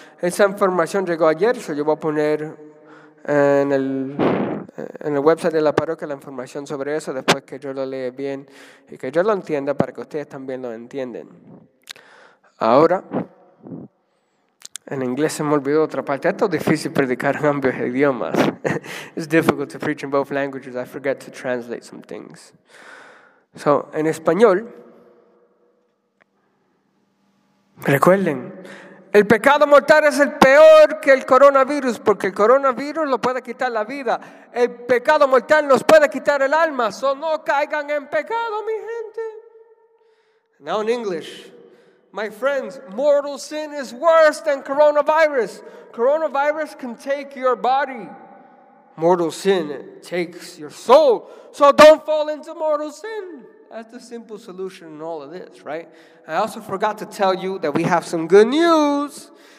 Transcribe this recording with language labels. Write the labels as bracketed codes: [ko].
[es] Esa información llegó ayer, se llevó a poner en el website de la parroquia la información sobre eso, después que yo lo lea bien y que yo lo entienda para que ustedes también lo entiendan. Ahora, en inglés se me olvidó otra parte. Esto es difícil predicar en ambos idiomas. [en] It's difficult to preach in both languages. I forget to translate some things. [es] So, en español, recuerden, el pecado mortal es el peor que el coronavirus, porque el coronavirus lo puede quitar la vida. El pecado mortal nos puede quitar el alma. So, no caigan en pecado, mi gente. [en] Now in English. My friends, mortal sin is worse than coronavirus. Coronavirus can take your body. Mortal sin takes your soul. So don't fall into mortal sin. That's the simple solution in all of this, right? I also forgot to tell you that we have some good news.